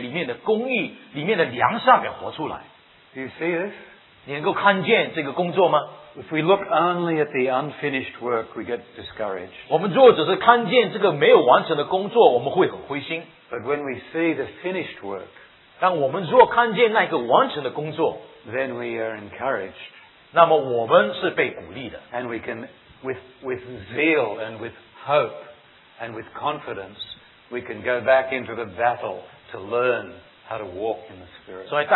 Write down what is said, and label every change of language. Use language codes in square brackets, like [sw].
[zh] 教导我怎样将里面的圣洁、里面的公义、里面的良善给活出来。 [en] Do you see this? [zh] 你能够看见这个工作吗? [en] If we look only at the unfinished work, we get discouraged. [zh] 我们若只是看见这个没有完成的工作，我们会很灰心。 [en] But when we see the finished work, [zh] 当我们若看见那个完成的工作, [en] then we are encouraged. [zh] 那么我们是被鼓励的。 [en] And we can, with zeal and with hope and with confidence, we can go back into the battle to learn how to walk in the Spirit.